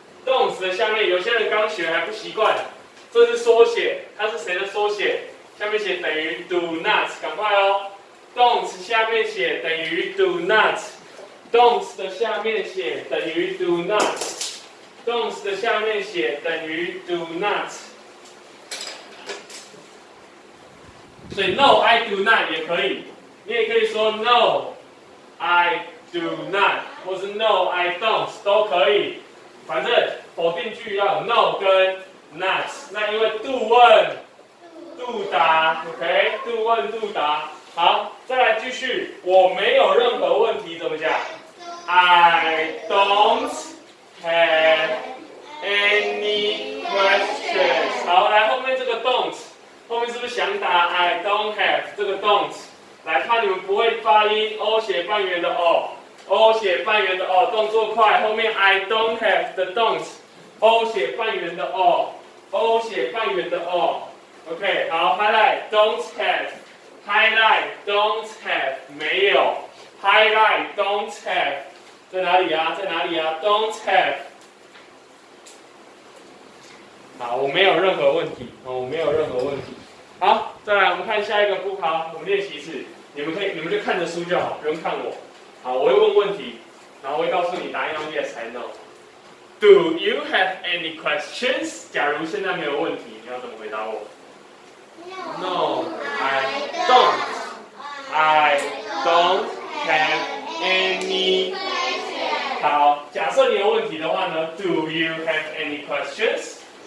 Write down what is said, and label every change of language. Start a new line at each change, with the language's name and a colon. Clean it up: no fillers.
Chinese: 动词的下面，有些人刚学还不习惯，这是缩写，它是谁的缩写？下面写等于
English: do not，
Chinese: 赶快哦！动词下面写等于 do not， 动词的下面写等于 do not， 动词的下面写等于 do not。所以
English: no I do not
Chinese: 也可以，你也可以说 no I do not， 或是
English: no I don't
Chinese: 都可以。反正否定句要有 no 跟 not， 那因为 do 问 do 答 ，OK， do 问 do 答。好，再来继续，我没有任何问题，怎么讲 ？
English: I don't have any questions。
Chinese: 好，来后面这个 don't， 后面是不是想打
English: I don't have
Chinese: 这个 don't？来，怕你们不会发音 ，O 写半圆的 O。 O 写半圆的 O， 动作快，后面
English: I don't have the don't，
Chinese: O 写半圆的 O， O 写半圆的 O， OK， 好 ，
English: highlight don't have，
Chinese: highlight don't have 没有， highlight don't have 在哪里啊？在哪里啊？
English: don't have，
Chinese: 好，我没有任何问题，哦，我没有任何问题，好，再来我们看下一个步伐，我们练习一次，你们可以，你们就看着书就好，不用看我。好，我会问问题，然后我会告诉你答案要 yes 还 no。
English: Do you have any questions？
Chinese: 假如现在没有问题，你要怎么回答我
English: ？No, I don't. I don't have any questions.
Chinese: 好，假设你有问题的话呢 ？
English: Do you have any questions？